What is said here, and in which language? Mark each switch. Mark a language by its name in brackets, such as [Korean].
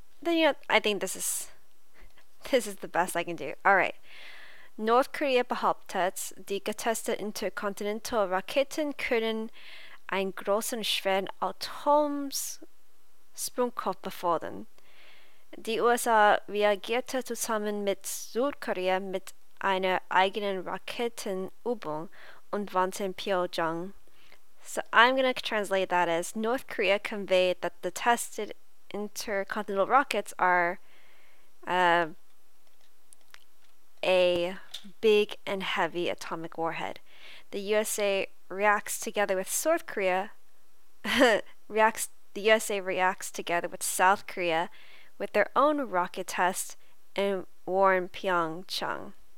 [English] Then you know, I think this is the best I can do. All right. [German] North Korea behauptet, die getestete intercontinental Raketen können einen großen schweren Atomsprengkopf befördern. Die USA reagierte zusammen mit Südkorea mit einer eigenen Raketenübung und warnte in Pyongchang. [English] So I'm going to translate that as North Korea conveyed that the tested intercontinental rockets are a big and heavy atomic warhead. The USA reacts together with South Korea reacts together with South Korea with their own rocket test and warn Pyongchang.